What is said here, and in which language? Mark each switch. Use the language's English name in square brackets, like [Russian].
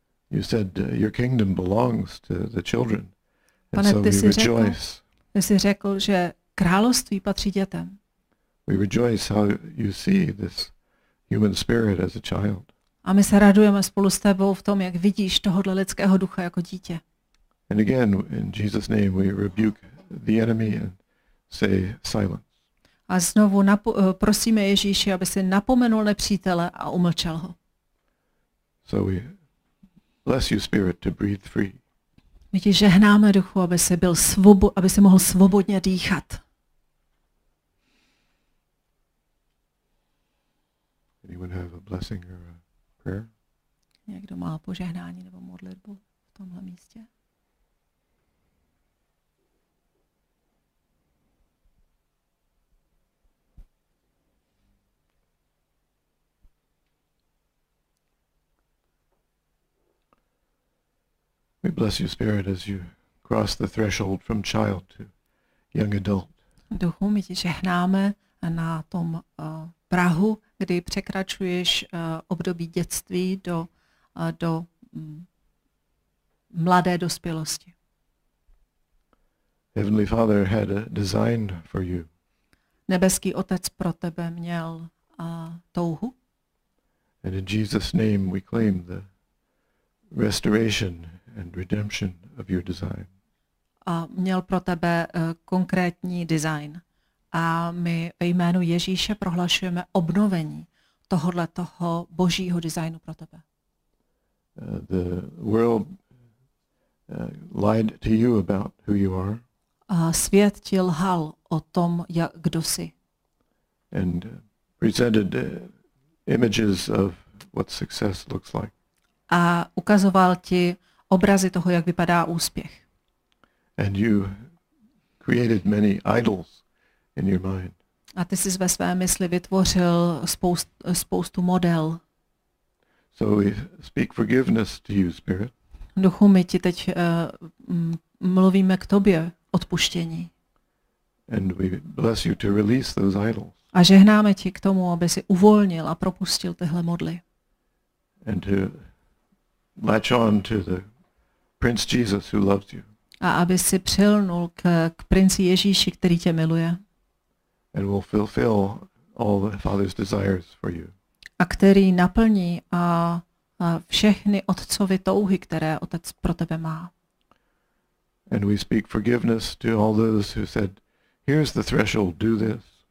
[English] You said your kingdom belongs to the children. [Czech] Pane, [English] and so we rejoice. [Czech] Ty jsi řekl, že království patří dětem. [English] We rejoice how you see this human spirit as a child. [Czech] A my se radujeme spolu s tebou v tom, jak vidíš tohohle lidského ducha jako dítě. [English] And again, in Jesus' name, we rebuke the enemy and say silence. [Czech] A znovu prosíme Ježíši, aby si napomenul nepřítele a umlčel ho. [English] So we bless you, spirit, to breathe free. [Czech] My ti žehnáme duchu, aby si mohl svobodně dýchat. [English] Anyone have a blessing or a prayer? [Czech] Někdo má požehnání nebo modlitbu v tomhle místě? [English] We bless you, spirit, as you cross the threshold from child to young adult. [Czech] Duchu, my ti žehnáme na tom prahu, kdy překračuješ období dětství do mladé dospělosti. [English] Heavenly Father had a design for you. [Czech] Nebeský Otec pro tebe měl touhu. [English] And in Jesus' name we claim the restoration and redemption of your design. [Czech] A měl pro tebe konkrétní design. A my ve jménu Ježíše prohlašujeme obnovení tohodle toho božího designu pro tebe. [English] The world lied to you about who you are. [Czech] A svět ti lhal o tom, jak kdo jsi. [English] And presented images of what success looks like. [Czech] A ukazoval ti obrazy toho, jak vypadá úspěch. [English] And you created many idols in your mind. [Czech] A ty jsi ve své mysli vytvořil spoustu model. [English] So we speak forgiveness to you, spirit. [Czech] Duchu, my ti teď mluvíme k tobě odpuštění. [English] And we bless you to release those idols. [Czech] A žehnáme ti k tomu, aby si uvolnil a propustil tyhle modly. [English] And to latch on to the Prince Jesus who loves you. [Czech] A aby si přilnul k princi Ježíši, který tě miluje. [English] And will fulfill all the Father's desires for you. [Czech] A který naplní a všechny otcovy touhy, které Otec pro tebe má. [English] And we speak forgiveness to all those who said, here's the threshold, do this.